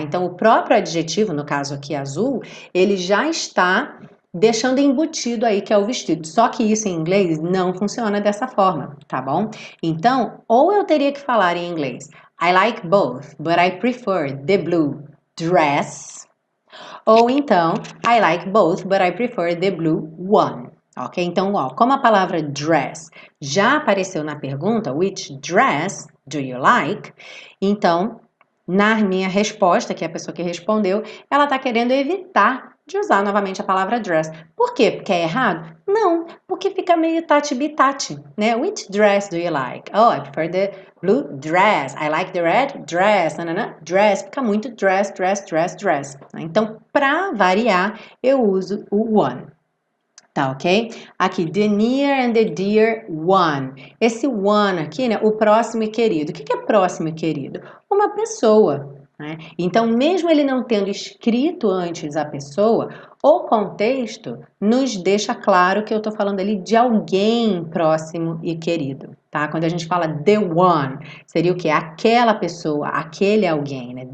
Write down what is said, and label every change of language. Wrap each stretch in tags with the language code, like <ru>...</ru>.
<pt>Então, o próprio adjetivo, no caso aqui azul, ele já está deixando embutido aí que é o vestido. Só que isso em inglês não funciona dessa forma, tá bom? Então, ou eu teria que falar em inglês,</pt> <en>I like both, but I prefer the blue dress.</en> <pt>Ou então,</pt> <en>I like both, but I prefer the blue one. Ok?</en> <pt>Então, ó, como a palavra dress já apareceu na pergunta,</pt> <en>which dress do you like?</en> <pt>Então, na minha resposta, que é a pessoa que respondeu, ela tá querendo evitar de usar novamente a palavra dress. Por quê? Porque é errado? Não, porque fica meio tati-bitati, né?</pt> <en>Which dress do you like? Oh, I prefer the blue dress. I like the red dress. Nanana. Dress</en> <pt>fica muito</pt> <en>dress, dress, dress, dress.</en> <pt>Então, para variar, eu uso o one. Tá ok? Aqui,</pt> <en>the near and the dear one.</en> <pt>Esse one aqui, né? O próximo e querido. O que é próximo e querido? Uma pessoa. Então, mesmo ele não tendo escrito antes a pessoa, o contexto nos deixa claro que eu estou falando ali de alguém próximo e querido, tá? Quando a gente fala the one, seria o quê? Aquela pessoa, aquele alguém, né?</pt>